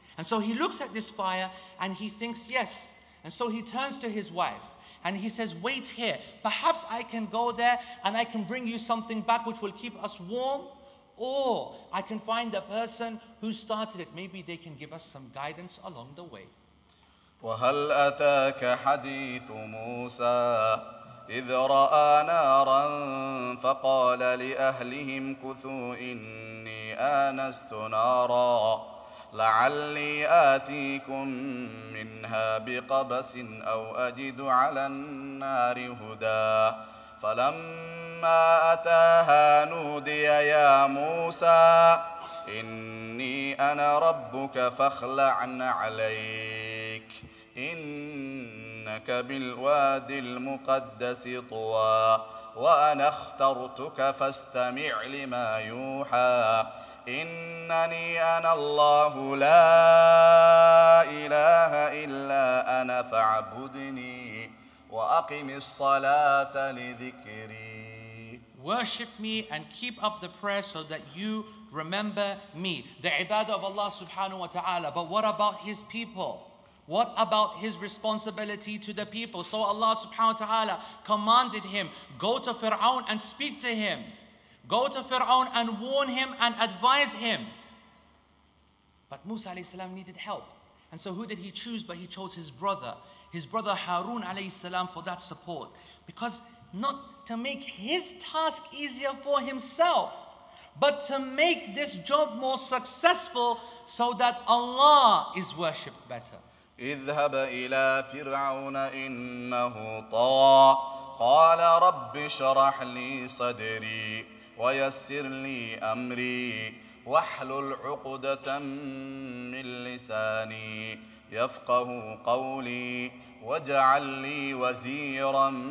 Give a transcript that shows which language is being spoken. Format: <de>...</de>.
<en>And so he looks at this fire and he thinks, yes. And so he turns to his wife. And he says, wait here, perhaps I can go there and I can bring you something back which will keep us warm, or I can find the person who started it. Maybe they can give us some guidance along the way.</en> <ar>وَهَلْ أَتَاكَ حَدِيثُ مُوسَىٰ إِذْ رَآ نَارًا فَقَالَ لِأَهْلِهِمْ كُثُوا إِنِّي آنَسْتُ نَارًا لعلي آتيكم منها بقبس أو أجد على النار هدى فلما أتاها نودي يا موسى إني أنا ربك فاخلع نعليك إنك بالوادي المقدس طوى وأنا اخترتك فاستمع لما يوحى إنني أنا الله لا إله إلا أنا فاعبدني وأقم الصلاة لذكري.</ar> <en>Worship me and keep up the prayer so that you remember me. The ibadah of Allah subhanahu wa ta'ala. But what about his people? What about his responsibility to the people? So Allah subhanahu wa ta'ala commanded him, go to Fir'aun and speak to him. Go to Fir'aun and warn him and advise him. But Musa alayhi salam needed help. And so who did he choose? But he chose his brother Harun alayhi salam, for that support. Because not to make his task easier for himself, but to make this job more successful so that Allah is worshipped better.</en> <ar>اذهب إلى فرعون إنه طغى قال رب شرح لي صدري ويسر لي أمري واحلل عقدة من لساني يفقه قولي واجعل لي وزيرا</ar>